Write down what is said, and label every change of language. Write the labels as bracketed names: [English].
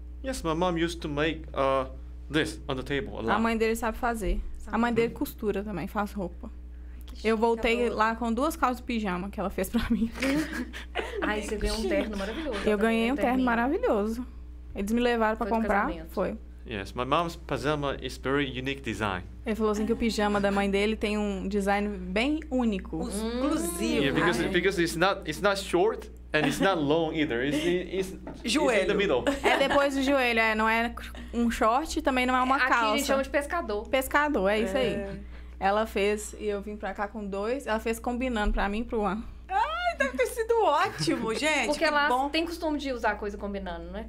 [English] Yes, my mom used to make this on the table. [Portuguese] A mãe dele sabe fazer. Sabe. A mãe dele costura também, faz roupa. Eu voltei lá com duas calças de pijama que ela fez pra mim. Ai, você ganhou um terno maravilhoso. Eu ganhei um terno maravilhoso. Eles me levaram para comprar, foi. [English] Yes, my mom's pajama is very unique design. [Portuguese] Ele falou assim que o pijama da mãe dele tem um design bem único. Exclusivo. [English] Yeah, because it's not short and it's not long either. It's [Portuguese] joelho. [English] It's in the middle. [Portuguese] É depois do joelho, não é um short e também não é uma calça. Aqui a gente chama de pescador. Pescador, é isso aí. Ela fez, e eu vim para cá com dois, ela fez combinando para mim e pro Juan. Ai, deve ter sido ótimo, gente. Porque lá tem costume de usar coisa combinando, né?